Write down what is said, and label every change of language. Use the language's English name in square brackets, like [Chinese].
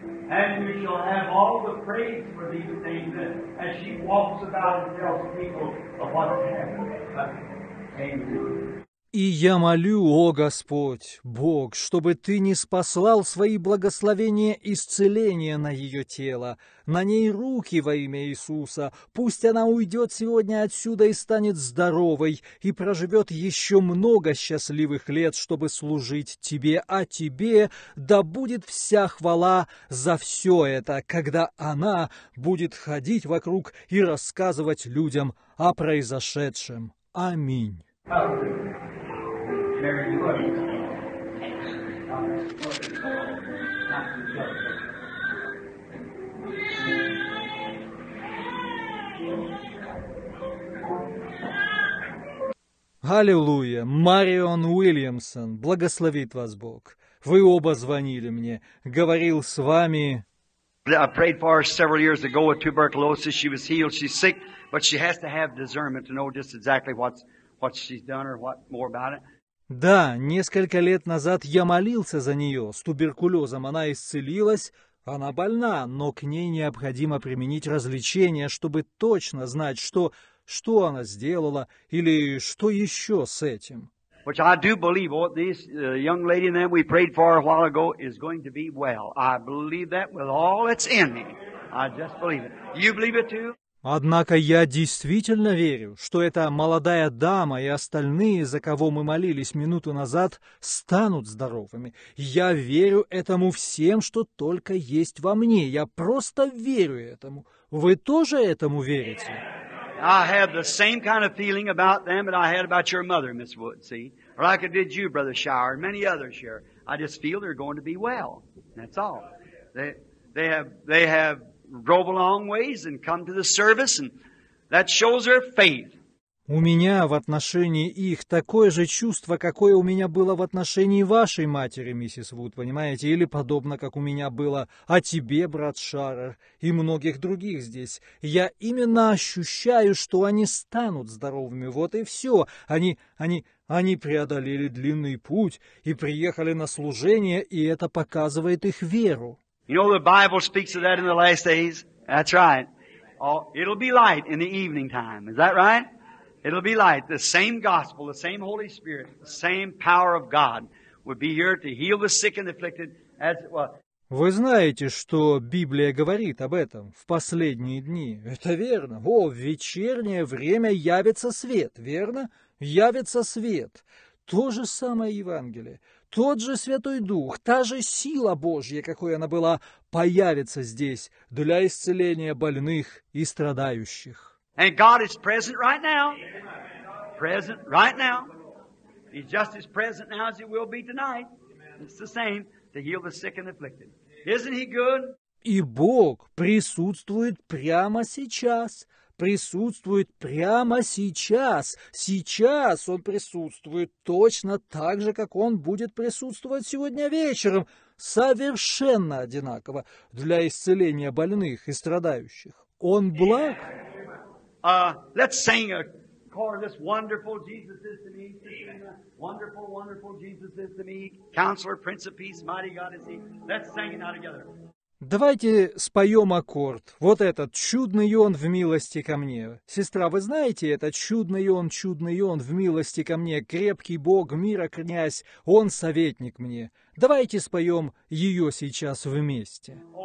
[English] And we shall have all the praise for these things as she walks about and tells people of what has happened. Amen. [Russian] И я молю, о Господь, Бог, чтобы Ты ниспослал свои благословения исцеления на ее тело, на ней руки во имя Иисуса. Пусть она уйдет сегодня отсюда и станет здоровой, и проживет еще много счастливых лет, чтобы служить Тебе, а Тебе да будет вся хвала за все это, когда она будет ходить вокруг и рассказывать людям о произошедшем. Аминь. Аллилуйя! Марион Уильямсон, благословит вас Бог. Вы оба звонили мне, говорил с вами. [English] I prayed for her several years ago with tuberculosis. She was healed. She's sick, but she has to have discernment to know just exactly what she's done or what more about it. [Russian] Да, несколько лет назад я молился за нее с туберкулезом. Она исцелилась, она больна, но к ней необходимо применить развлечение, чтобы точно знать, что она сделала или что еще с этим. [English] Which I do believe, what this young lady that we prayed for a while ago is going to be well. I believe that with all that's in me. I just believe it. You believe it too? [Russian] Однако я действительно верю, что эта молодая дама и остальные, за кого мы молились минуту назад, станут здоровыми. Я верю этому всем, что только есть во мне. Я просто верю этому. Вы тоже этому верите? [English] I have the same kind of feeling about them that I had about your mother, Miss Wood, see? Or like I did you, Brother Shire, and many others here. I just feel they're going to be well. That's all. They have drove a long ways and come to the service, and that shows their faith. [Russian] У меня в отношении их такое же чувство, какое у меня было в отношении вашей матери, миссис Вуд, понимаете, или подобно, как у меня было о тебе, брат Шарер, и многих других здесь. Я именно ощущаю, что они станут здоровыми, вот и все. Они преодолели длинный путь и приехали на служение, и это показывает их веру. [English] You know the Bible speaks of that in the last days? That's right. Oh, it'll be light in the evening time. Is that right? It'll be light. The same gospel, the same Holy Spirit, the same power of God would be here to heal the sick and afflicted as it was. [Russian] Вы знаете, что Библия говорит об этом в последние дни. Это верно. О, в вечернее время явится свет, верно? Явится свет. То же самое Евангелие. Тот же Святой Дух, та же сила Божья, какой она была, появится здесь для исцеления больных и страдающих. [English] And God is present right now. Present right now. He's just as present now as He will be tonight. It's the same to heal the sick and afflicted. Isn't He good? [Russian] И Бог присутствует прямо сейчас. Присутствует прямо сейчас. Сейчас Он присутствует точно так же, как Он будет присутствовать сегодня вечером. Совершенно одинаково для исцеления больных и страдающих. Он благ. [English] Let's sing a chorus. This wonderful Jesus is to me. Wonderful, wonderful Jesus is to me. Counselor, Prince of Peace, Mighty God is He. Let's sing it now together. [Russian] Давайте споем аккорд. Вот этот «Чудный он в милости ко мне». Сестра, вы знаете этот «Чудный он в милости ко мне». Крепкий Бог, мира князь, Он советник мне. Давайте споем ее сейчас вместе.